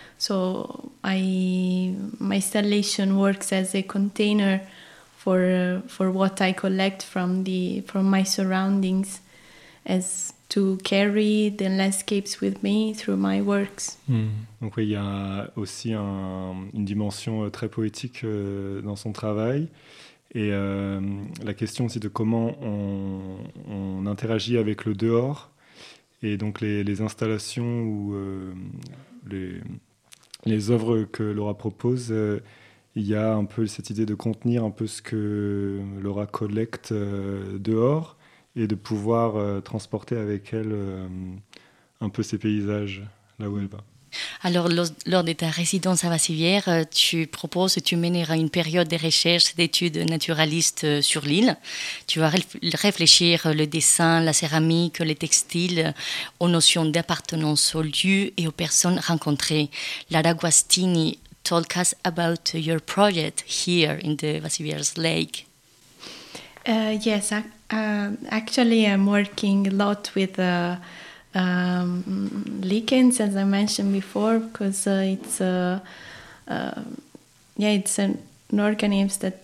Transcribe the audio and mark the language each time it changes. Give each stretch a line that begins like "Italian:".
English: So my installation works as a container for what I collect from my surroundings, as to carry the landscapes with me through my works. Mmh.
French: Donc oui, il y a aussi une dimension très poétique dans son travail, et la question aussi de comment on interagit avec le dehors, et donc les installations ou les œuvres que Laura propose. Il y a un peu cette idée de contenir un peu ce que Laura collecte dehors et de pouvoir transporter avec elle un peu ses paysages là où elle va. Alors, lors de ta résidence à Vassivière, tu mèneras une période de recherche d'études naturalistes sur l'île. Tu vas réfléchir le dessin, la céramique, les textiles, aux notions d'appartenance au lieu et aux personnes rencontrées.
English: Lara Guastini, talk us about your project here in the Vassivière's Lake. Yes, actually I'm working a lot with lichens, as I mentioned before, because it's an organism